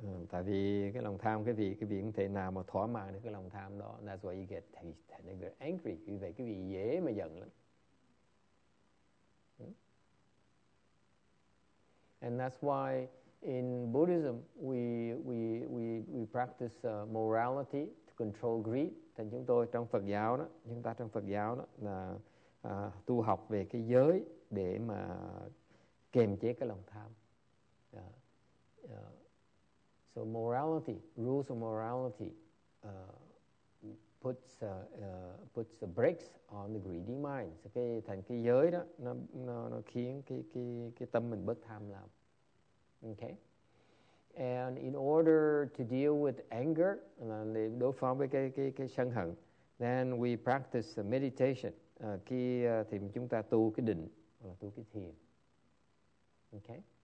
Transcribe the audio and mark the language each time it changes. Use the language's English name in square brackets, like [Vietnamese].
[Vietnamese] Tại vì cái lòng tham cái vị không thể nào mà thỏa mãn được cái lòng tham đó. [English] That's why you get tender, angry. [Vietnamese] Vì vậy cái vị dễ mà giận lắm. [English] And that's why in Buddhism we practice morality to control greed. [Vietnamese] Thì chúng tôi trong Phật giáo đó, chúng ta trong Phật giáo đó là tu học về cái giới để mà kiềm chế cái lòng tham. [English] So morality, rules of morality, puts the brakes on the greedy mind. [Vietnamese] So cái thành cái giới đó nó khiến cái tâm mình bớt tham lam. Okay. [English] And in order to deal with anger, [Vietnamese] để đối phó với cái sân hận, [English] then we practice meditation. [Vietnamese] Thì chúng ta tu cái định hoặc là tu cái thiền. Okay.